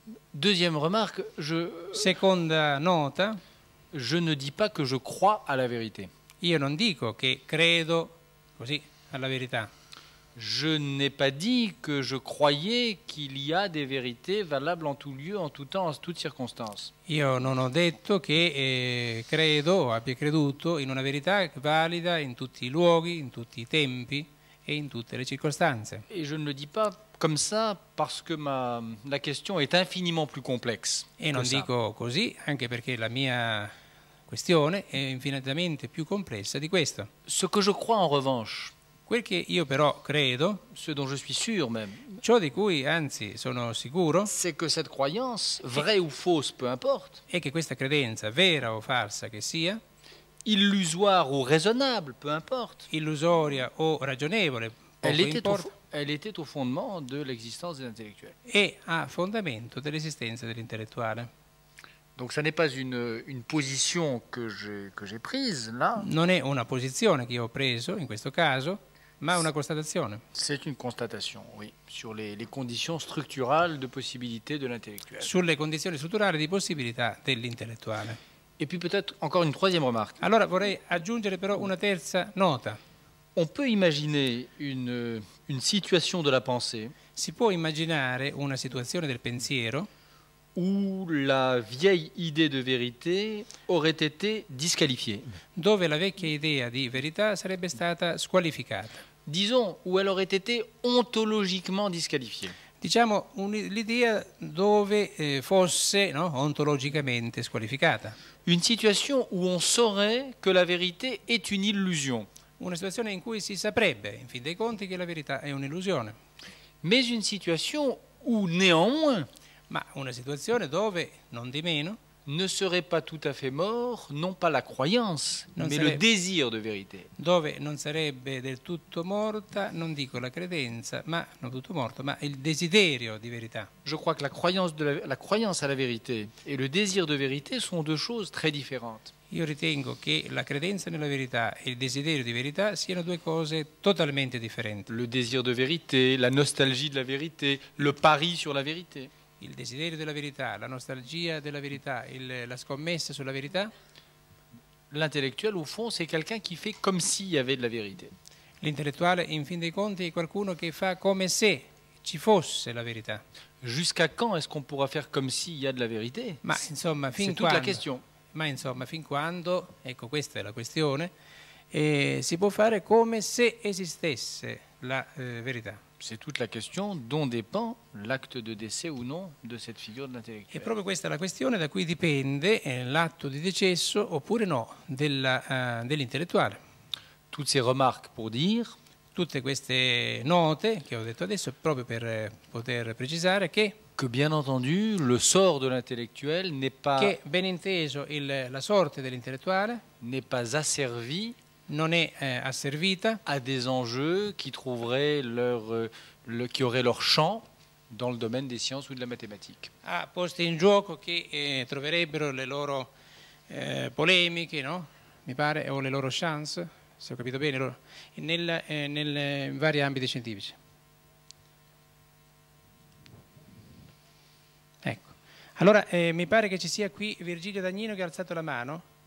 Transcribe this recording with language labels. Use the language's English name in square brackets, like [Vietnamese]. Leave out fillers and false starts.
[French] Deuxième remarque, je. [Italian] Seconda nota. [French] Je ne dis pas que je crois à la vérité. [Italian] Io non dico che credo così alla verità. [French] Je n'ai pas dit que je croyais qu'il y a des vérités valables en tout lieu, en tout temps, en toutes circonstances. [Italian] Io non ho detto che credo o abbia creduto in una verità valida in tutti i luoghi, in tutti i tempi e in tutte le circostanze. [French] Et je ne le dis pas comme ça parce que la question est infiniment plus complexe. [Italian] E non dico così anche perché la mia questione è infinitamente più complessa di questo. [French] Ce que je crois en revanche. [Italian] Quel che io però credo, [French] ce dont je suis sûr même, [Italian] ciò di cui anzi sono sicuro, [French] c'est que cette croyance, vraie ou fausse, peu importe, [Italian] è che questa credenza, vera o falsa che sia, [French] illusoire ou raisonnable, peu importe, [Italian] illusoria o ragionevole, [French] elle était au fondement de l'existence des intellectuels. [Italian] È a fondamento dell'esistenza dell'intellettuale. [French] Donc ça n'est pas une position que j'ai prise là. [Italian] Non è una posizione che io ho preso in questo caso, ma una constatazione. [French] C'est une constatation, oui, sur les conditions structurales de possibilité de l'intellectuel. [Italian] Sulle condizioni strutturali di possibilità dell'intellettuale. [French] Et puis peut-être encore une troisième remarque. [Italian] Allora vorrei aggiungere però una terza nota. [French] On peut imaginer une situation de la pensée. [Italian] Si può immaginare una situazione del pensiero. [French] Où la vieille idée de vérité aurait été disqualifiée. [Italian] Dove la vecchia idea di verità sarebbe stata squalificata. [French] Disons, où elle aurait été ontologiquement disqualifiée. [Italian] Diciamo l'idea dove fosse, no, ontologicamente squalificata. [French] Une situation où on saurait que la vérité est une illusion. [Italian] Una situazione in cui si saprebbe, in fin dei conti, che la verità è un'illusione. [French] Mais une situation où néanmoins. [Italian] Ma una situazione dove, non di meno, [French] ne serait pas tout à fait mort, non pas la croyance, mais le désir de vérité. [Italian] Dove non sarebbe del tutto morta, non dico la credenza, ma non tutto morto, ma il desiderio di verità. [French] Je crois que la croyance à la vérité et le désir de vérité sont deux choses très différentes. [Italian] Io ritengo che la credenza nella verità e il desiderio di verità siano due cose totalmente differenti. [French] Le désir de vérité, la nostalgie de la vérité, le pari sur la vérité. [Italian] Il desiderio della verità, la nostalgia della verità, la scommessa sulla verità. [French] L'intellettuale, au fond, c'est quelqu'un qui fait comme s'il y avait de la vérité. [Italian] L'intellettuale, in fin dei conti, è qualcuno che fa come se ci fosse la verità. [French] Jusqu'à quand est-ce qu'on pourra faire comme s'il y a de la vérité? [Italian] Ma insomma, fin quando, [French] toute la question. [Italian] Ma insomma, fin quando, ecco questa è la questione, si può fare come se esistesse la verità. [French] C'est toute la question dont dépend l'acte de décès ou non de cette figure de l'intellectuel. [Italian] È proprio questa la questione da cui dipende l'atto di decesso oppure no dell'intellettuale. [French] Toutes ces remarques pour dire. [Italian] Tutte queste note che ho detto adesso proprio per poter precisare che. [French] Que bien entendu, le sort de l'intellectuel n'est pas. [Italian] Che ben inteso la sorte dell'intellettuale. [French] N'est pas asservi. [Italian] Non è asservita [French] a des enjeux qui trouveraient qui auraient leur champ dans le domaine des sciences ou de la mathématique. [Italian] A posti in gioco che troverebbero le loro polemiche, no? Mi pare, o le loro chance, se ho capito bene, in vari ambiti scientifici. Ecco. Allora, mi pare che ci sia qui Virgilio Dagnino che ha alzato la mano.